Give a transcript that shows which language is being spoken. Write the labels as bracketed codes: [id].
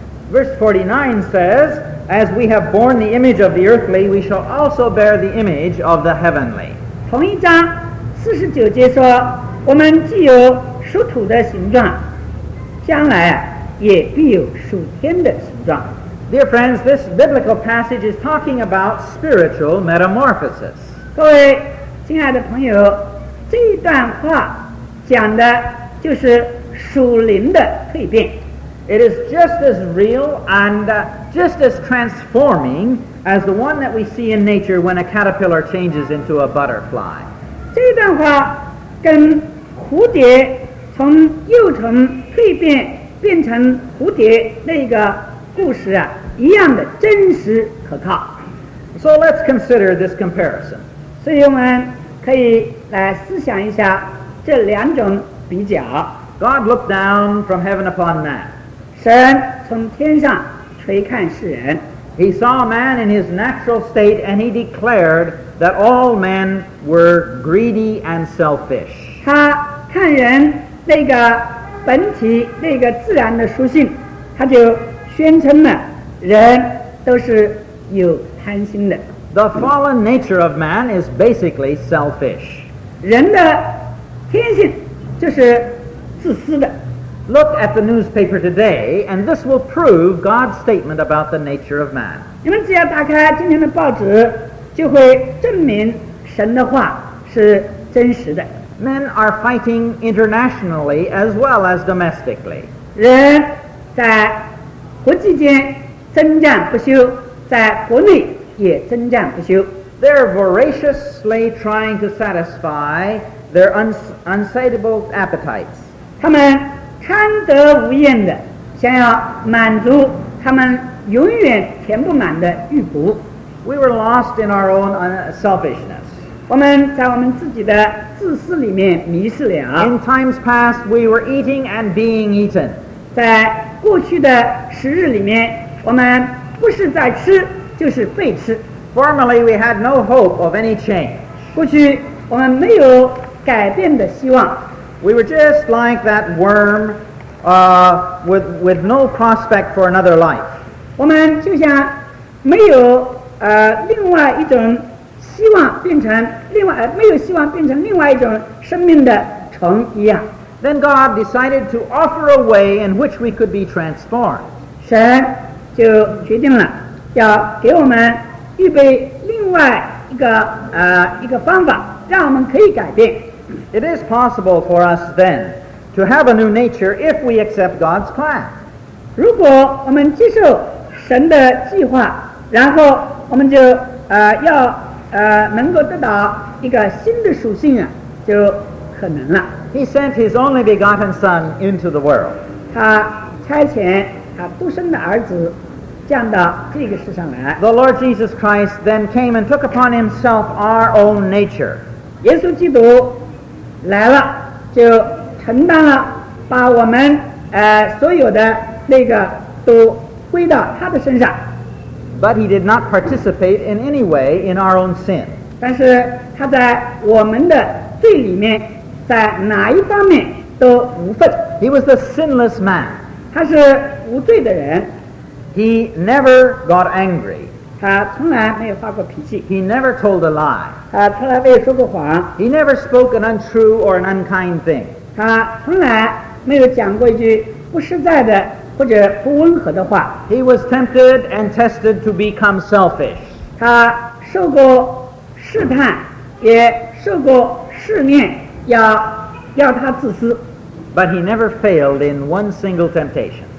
[en] Verse 49 says, As we have borne the image of the earthly, we shall also bear the image of the heavenly. [zh] 同一章四十九节说，我们既有属土的形状，将来也必有属天的形状。 [en] Dear friends, this biblical passage is talking about spiritual metamorphosis. [zh] 各位亲爱的朋友，这一段话讲的就是属灵的蜕变。 [en] It is just as real and just as transforming as the one that we see in nature when a caterpillar changes into a butterfly. [zh] 这段话跟蝴蝶从幼虫蜕变变成蝴蝶那个故事啊一样的真实可靠。 [en] So let's consider this comparison. [zh] 所以我们可以来思想一下这两种比较。 [en] God looked down from heaven upon man. [zh] 神从天上垂看世人。 [en] He saw man in his natural state and he declared that all men were greedy and selfish. [zh] 他看人那个本体那个自然的属性，他就宣称了人都是有贪心的。 [en] The fallen nature of man is basically selfish. [zh] 人的天性就是自私的。 [en] Look at the newspaper today, and this will prove God's statement about the nature of man. [zh] 你们只要打开今天的报纸，就会证明神的话是真实的。 [en] Men are fighting internationally as well as domestically. [zh] 人在国际间征战不休，在国内也征战不休。 [en] They're voraciously trying to satisfy their unsatiable appetites. [zh] 他们贪得无厌的想要满足他们永远填不满的欲谷。 [en] We were lost in our own selfishness. [zh] 我们在我们自己的自私里面迷失了。 [en] In times past, we were eating and being eaten. [zh] 在过去的时日里面，我们不是在吃就是被吃。 [en] Formerly, we had no hope of any change. [zh] 过去我们没有改变的希望。 [en] We were just like that worm, with no prospect for another life. [zh] 我们就像没有另外一种希望变成另外没有希望变成另外一种生命的虫一样。 [en] Then God decided to offer a way in which we could be transformed. [zh] 神就决定了要给我们预备另外一个方法，让我们可以改变。 [en] It is possible for us then to to have a new nature if we accept God's plan. [zh] 如果我们接受神的计划，然后我们就要能够得到一个新的属性啊，就可能了。 [en] He sent His only begotten Son into the world. [zh] 他差遣他独生的儿子降到这个世上来。 [en] The Lord Jesus Christ then came and took upon Himself our own nature. [zh] 耶稣基督来了，就承担了把我们所有的那个都归到他的身上。 [en] But He did not participate in any way in our own sin. [zh] 但是他在我们的罪里面。在哪一方面都无份。 [en] He was the sinless man. [zh] 他是无罪的人。 [en] He never got angry. [zh] 他从来没有发过脾气。 [en] He never told a lie. [zh] 他从来没有说过谎。 [en] He never spoke an untrue or an unkind thing. [zh] 他从来没有讲过一句不实在的或者不温和的话。 [en] He was tempted and tested to become selfish. [zh] 他受过试探，也受过试炼。要他自私。 [en] But he never failed in one single temptation.